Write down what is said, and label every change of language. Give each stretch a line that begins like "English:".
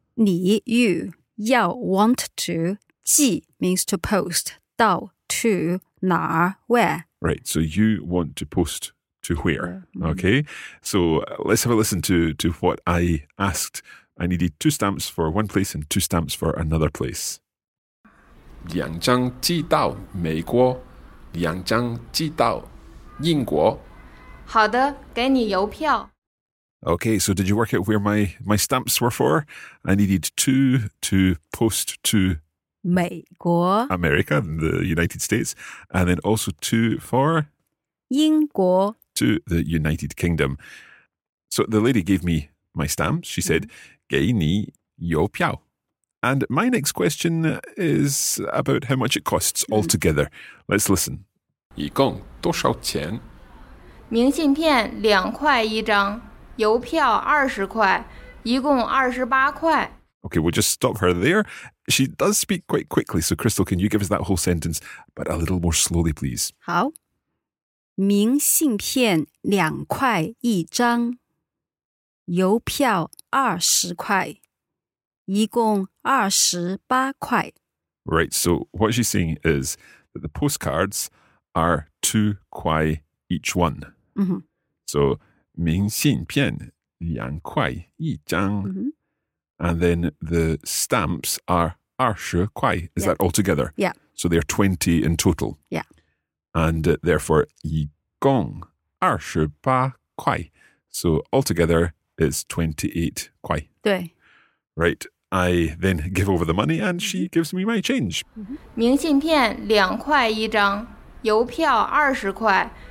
Chinese: 你,
English: you,
Chinese: 要,
English: want to,
Chinese: 寄
English: means to post,
Chinese: 到,
English: to,
Chinese: 哪儿,
English: where. Right, so you want to post to where, okay? So let's have a listen to what I asked. I needed two stamps for one place and two stamps for another place.
Chinese: 两张寄到美国, 两张寄到英国, 好的，给你邮票。
English: Okay, so did you work out where my stamps were for? I needed two to post to
Chinese: 美国
English: America, the United States, and then also two for
Chinese: 英国
English: to the United Kingdom. So the lady gave me my stamps. She said,
Chinese: 给你邮票。
English: And my next question is about how much it costs altogether. Let's listen.
Chinese: 一共多少钱？明信片两块一张，邮票二十块，一共二十八块。
English: Okay, we'll just stop her there. She does speak quite quickly, so Crystal, can you give us that whole sentence, but a little more slowly, please?
Chinese: 好，明信片两块一张，邮票二十块，一共二十八块。
English: Right, so what she's saying is that the postcards are 2 kuai each one. So,
Chinese: 明信片两块一张
English: and then the stamps are
Chinese: 二十块
English: is that all together? Yeah. So they're 20 in total. Yeah. And therefore,
Chinese: 一共二十八块
English: So altogether is 28 kuai.
Chinese: 对
English: Right. I then give over the money and she gives me my change.
Chinese: 明信片两块一张，邮票二十块。